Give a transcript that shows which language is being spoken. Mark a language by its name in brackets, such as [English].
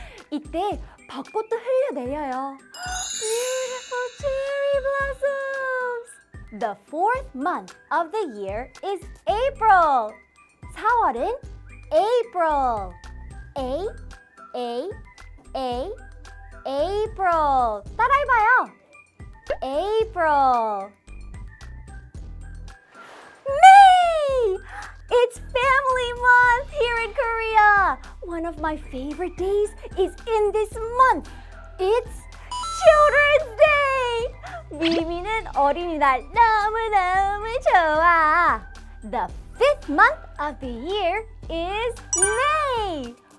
[Korean] 이때 벚꽃도 흘려내려요. [English] Beautiful cherry blossoms! The fourth month of the year is April. [Korean] 4월은 [English] April. A, A, A, April. [Korean] 따라해봐요. [English] April. May! It's family month here in Korea. One of my favorite days is in this month. It's Children's Day! [Korean] 미미는 어린이날 너무너무 좋아! [English] The fifth month of the year is May!